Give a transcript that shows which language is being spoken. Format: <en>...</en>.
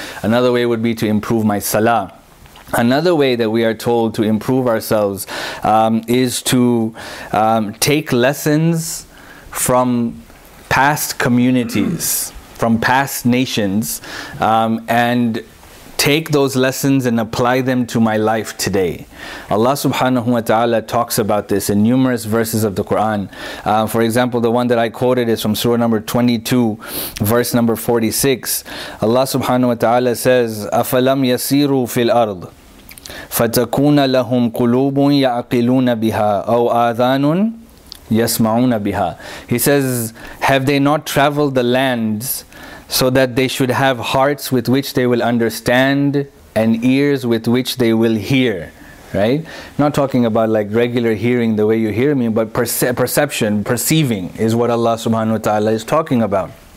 <en>Another way would be to improve my salah. Another way that we are told to improve ourselves is to take lessons from past communities, from past nations, and take those lessons and apply them to my life today. Allah subhanahu wa ta'ala talks about this in numerous verses of the Quran. For example, the one that I quoted is from surah number 22, verse number 46. Allah subhanahu wa ta'ala says,</en> <ar>أَفَلَمْ يَسِيرُوا فِي الْأَرْضِ فَتَكُونَ لَهُمْ قُلُوبٌ يَعْقِلُونَ بِهَا أَوْ آذَانٌ يَسْمَعُونَ بِهَا.</ar> <en>He says, have they not traveled the lands so that they should have hearts with which they will understand and ears with which they will hear? Right? Not talking about like regular hearing the way you hear me, but perception, perceiving is what Allah subhanahu wa ta'ala is talking about.</en>